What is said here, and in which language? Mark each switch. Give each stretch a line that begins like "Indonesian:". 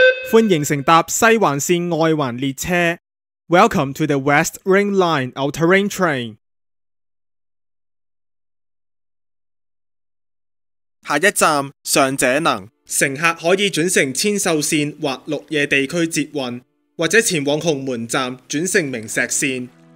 Chinese: 欢迎乘搭西环线外环列车。
English: Welcome to the West Ring Line All-Terrain Train.
Chinese: 下一站上者能，乘客可以转乘千秀线或绿野地区捷运，或者前往红门站转乘明石线。